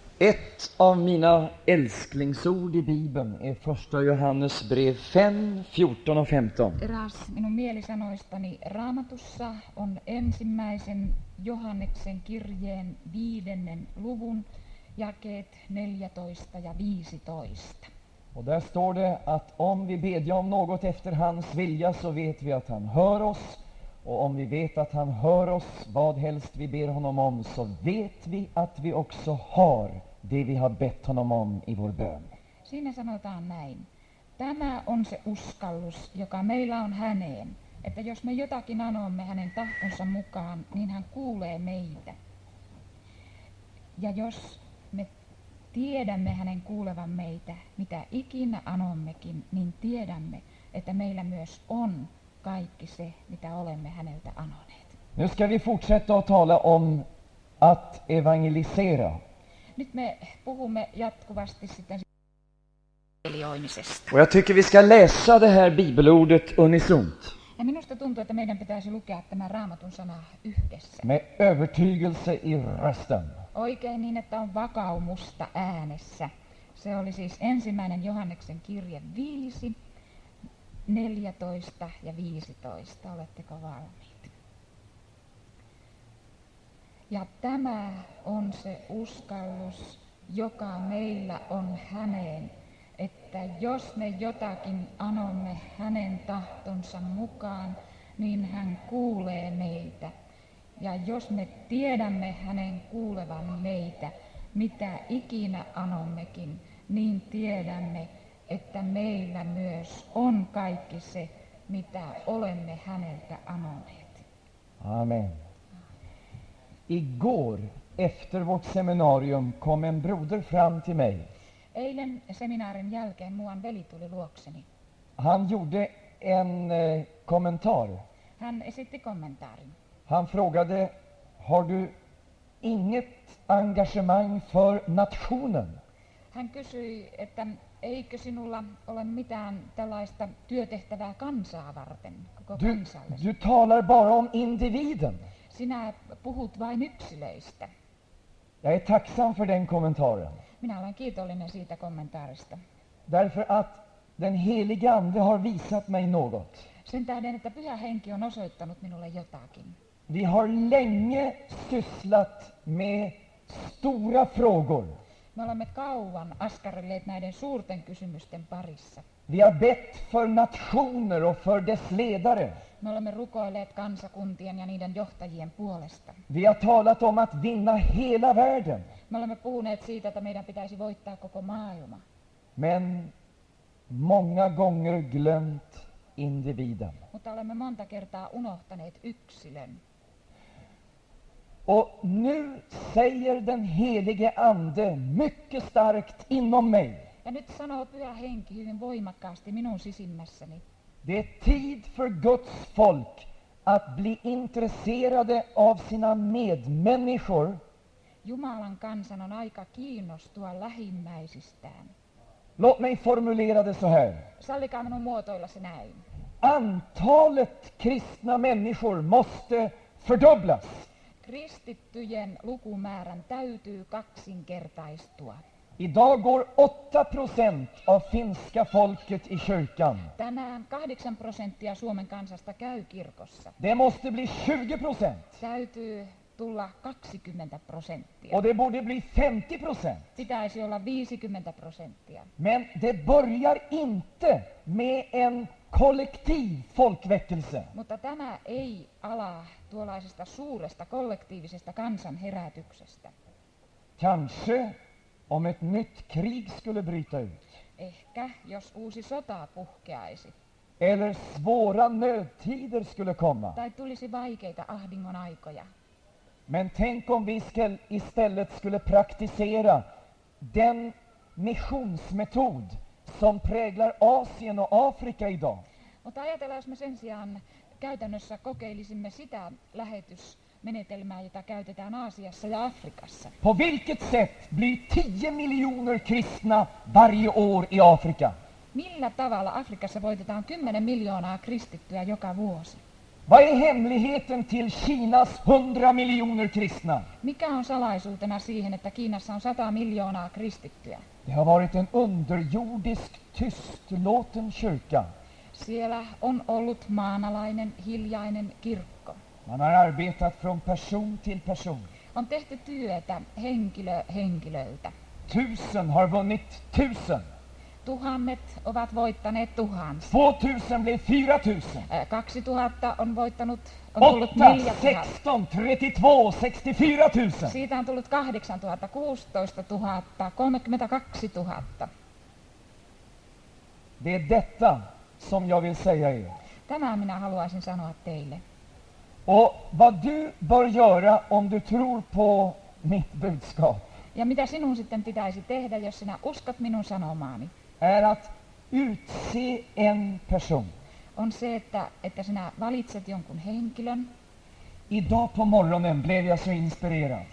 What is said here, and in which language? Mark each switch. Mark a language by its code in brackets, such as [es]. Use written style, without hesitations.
[sv] Ett av mina älsklingsord i Bibeln är första Johannes brev 5, 14 och 15. [fi] Eräs minun mielisanoistani Raamatussa on ensimmäisen Johanneksen kirjeen viidennen luvun jakeet 14 ja 15. [sv] Och där står det att om vi bedjer om något efter hans vilja så vet vi att han hör oss. Och om vi vet att han hör oss, vad helst vi ber honom om, så vet vi att vi också har det vi har bett honom om i vår bön. [fi] Siinä sanotaan näin. Tämä on se uskallus, joka meillä on häneen. Että jos me jotakin anomme hänen tahtonsa mukaan, niin hän kuulee meitä. Ja jos me tiedämme hänen kuulevan meitä, mitä ikinä anommekin, niin tiedämme, että meillä myös on kaikki se, mitä olemme häneltä anoneet. [sv] Nu ska vi fortsätta att tala om att evangelisera. [fi] Nyt me puhumme jatkuvasti sitten evankelioimisesta. [sv] Och jag tycker vi ska läsa det här bibelordet unisont. [fi] Ja minusta tuntuu, että meidän pitäisi lukea tämä Raamatun sana yhdessä. [sv] Med övertygelse i rösten. [fi] Oikein niin, että on vakaumusta äänessä. Se oli siis ensimmäinen Johanneksen kirje 5. 14 ja 15, oletteko valmiit? Ja tämä on se uskallus, joka meillä on häneen, että jos me jotakin anomme hänen tahtonsa mukaan, niin hän kuulee meitä. Ja jos me tiedämme hänen kuulevan meitä, mitä ikinä anommekin, niin tiedämme, että meillä myös on kaikki se, mitä olemme häneltä anoneet. Amen. [sv] Igår, efter vårt seminarium, kom en broder fram till mig. [fi] Eilen seminaarin jälkeen muuan veli tuli luokseni. [sv] Han gjorde en kommentar. [fi] Hän esitti kommentaarin. [sv] Han frågade, har du inget engagemang för nationen? [fi] Hän kysyi, että eikö sinulla ole mitään tällaista työtehtävää kansaa varten, koko kansalle? [sv] Du talar bara om individen. [fi] Sinä puhut vain yksilöistä. [sv] Jag är tacksam för den kommentaren. [fi] Minä olen kiitollinen siitä kommentaarista. [sv] Därför att den helige ande har visat mig något. [fi] Sen tähden, että pyhä henki on osoittanut minulle jotakin. [sv] Vi har länge sysslat med stora frågor. [fi] Me olemme kauan askarrelleet näiden suurten kysymysten parissa. [sv] Vi har bett för nationer och för dess ledare. [fi] Me olemme rukoilleet kansakuntien ja niiden johtajien puolesta. [sv] Vi har talat om att vinna hela världen. [fi] Me olemme puhuneet siitä, että meidän pitäisi voittaa koko maailma. [sv] Men många gånger glömt individen. [fi] Mutta olemme monta kertaa unohtaneet yksilön. [sv] Och nu säger den helige ande mycket starkt inom mig. [fi] Ja nyt sanoo pyhä henki hyvin voimakkaasti minun sisimmässäni. [sv] Det är tid för Guds folk att bli intresserade av sina medmänniskor. [fi] Jumalan kansan on aika kiinnostua lähimmäisistään. [sv] Låt mig formulera det så här. [fi] Sallikaa minun muotoilla se näin. [sv] Antalet kristna människor måste fördubblas. [fi] Kristittyjen lukumäärän täytyy kaksinkertaistua. [sv] Idag går 8% av finska folket i kyrkan. [fi] Tänään 8% Suomen kansasta käy kirkossa. [sv] Det måste bli 20%. [fi] Täytyy tulla 20%. [sv] Och det borde bli 50%. [fi] Pitäisi olla 50%. [sv] Men det börjar inte med en kollektiv folkväckelse. [fi] Mutta tämä ei ala tuollaisesta suuresta kollektiivisesta kansan herätyksestä. [sv] Kanske om ett nytt krig skulle bryta ut. [fi] Ehkä jos uusi sota puhkeaisi. [sv] Eller svåra nödtider skulle komma. [fi] Tai tulisi vaikeita ahdingon aikoja. [sv] Men tänk om vi istället skulle praktisera den missionsmetod som präglar Asien och Afrika idag. [fi] Mutta ajatellaan, jos me sen sijaan käytännössä kokeilisimme sitä lähetysmenetelmää, jota käytetään Aasiassa ja Afrikassa. [sv] På vilket sätt blir 10 miljoner kristna varje år i Afrika? [fi] Millä tavalla Afrikassa voitetaan 10 miljoonaa kristittyä joka vuosi? [sv] Vad är hemligheten till Kinas 100 miljoner kristna? [fi] Mikä on salaisuutena siihen, että Kiinassa on 100 miljoonaa kristittyä? [sv] Det har varit en underjordisk, tystlåten kyrka. [fi] Siellä on ollut maanalainen, hiljainen kirkko. [sv] Man har arbetat från person till person. [fi] On tehty työtä henkilö henkilöltä. [sv] Tusen har vunnit tusen. [fi] Tuhannet ovat voittaneet tuhansia. [sv] 2000 blev 4000. [fi] 2000 on voittanut, on 8, tullut 4000. [sv] 16, 32, 64000. [fi] Siitä on tullut 8000, 16000, 32000. [sv] Det är detta som jag vill säga er. [fi] Tänään minä haluaisin sanoa teille. [sv] Och vad du bör göra om du tror på mitt budskap. [fi] Ja mitä sinun sitten pitäisi tehdä, jos sinä uskot minun sanomaani? [sv] Är att utse en person. [fi] On se, että sinä valitset jonkun henkilön. [sv] Idag på morgonen blev jag så inspirerad.